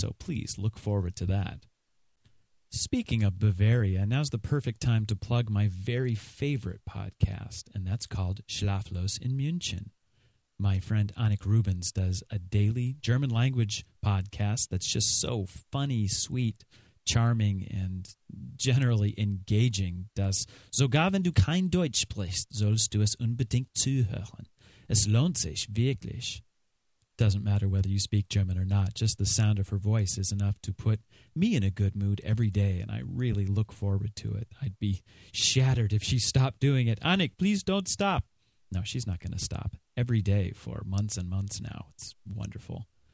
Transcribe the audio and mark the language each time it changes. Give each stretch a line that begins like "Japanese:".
English: So please look forward to that. Speaking of Bavaria, now's the perfect time to plug my very favorite podcast, and that's called Schlaflos in München. My friend Annik Rubens does a daily German language podcast that's just so funny, sweet, charming, and generally engaging.
German: Das sogar wenn du kein Deutsch sprichst, sollst du es unbedingt zuhören. Es lohnt sich wirklich.
English: Doesn't matter whether you speak German or not, just the sound of her voice is enough to put me in a good mood every day, and I really look forward to it. I'd be shattered if she stopped doing it. Annik, please don't stop. No, she's not going to stop. Every day for months and months now. It's wonderful.